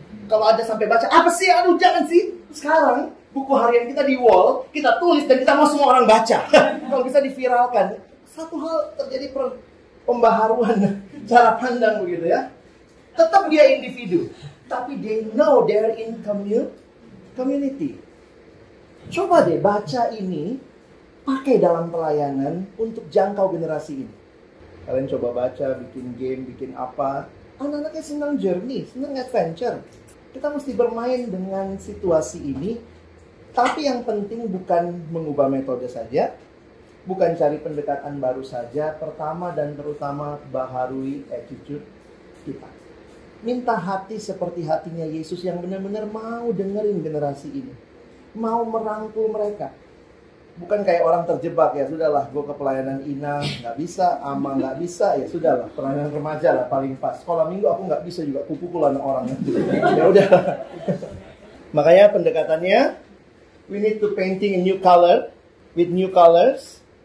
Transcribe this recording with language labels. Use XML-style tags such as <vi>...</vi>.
<id>Kalau ada sampai baca, apa sih? Aduh, jangan sih. Sekarang, buku harian kita di wall, kita tulis dan kita mau semua orang baca. Kalau bisa diviralkan. Satu hal terjadi pembaharuan cara pandang begitu ya. Tetap dia individu.</id> <en>Tapi they know they're in community.</en> <id>Coba deh baca ini, pakai dalam pelayanan untuk jangkau generasi ini. Kalian coba baca, bikin game, bikin apa. Anak-anaknya senang journey, senang adventure. Kita mesti bermain dengan situasi ini, tapi yang penting bukan mengubah metode saja, bukan cari pendekatan baru saja, pertama dan terutama baharui attitude kita. Minta hati seperti hatinya Yesus yang benar-benar mau dengerin generasi ini, mau merangkul mereka. Bukan kayak orang terjebak, ya sudahlah, gue ke pelayanan Ina, gak bisa, Ama gak bisa, ya sudahlah, pelayanan remaja lah paling pas. Sekolah minggu aku gak bisa juga, kupukulan orang. Ya udah. Makanya pendekatannya,</id> <en>we need to painting a new color, with new colors.</en>